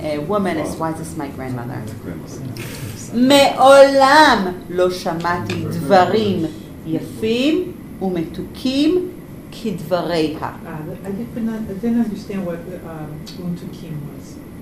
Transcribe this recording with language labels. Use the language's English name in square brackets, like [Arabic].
[English] a woman as wise as my grandmother. [Hebrew] מעולם לא שמעתי דברים יפים ומתוקים כדבריה. [English] I didn't understand what מתוקים was.